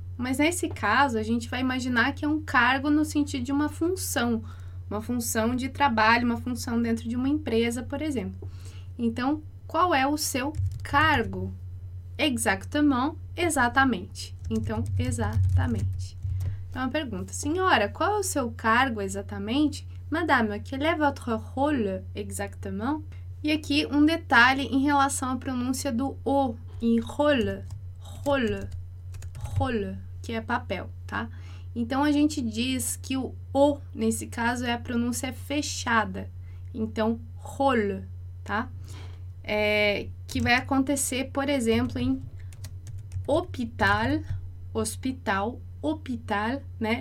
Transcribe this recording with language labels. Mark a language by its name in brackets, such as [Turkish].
[Portuguese] Mas nesse caso, a gente vai imaginar que é um cargo no sentido de uma função de trabalho, uma função dentro de uma empresa, por exemplo. Então, qual é o seu cargo? Exactement, exatamente. Então, exatamente. Então, a pergunta, senhora, qual é o seu cargo exatamente? [French] Madame, quel est votre rôle exactement? [Portuguese] E aqui, um detalhe em relação à pronúncia do O em rôle, rôle, rôle, que é papel, tá? Então, a gente diz que o O, nesse caso, é a pronúncia fechada. Então, rôle, tá? É, que vai acontecer, por exemplo, em hôpital, hospital, hôpital, né?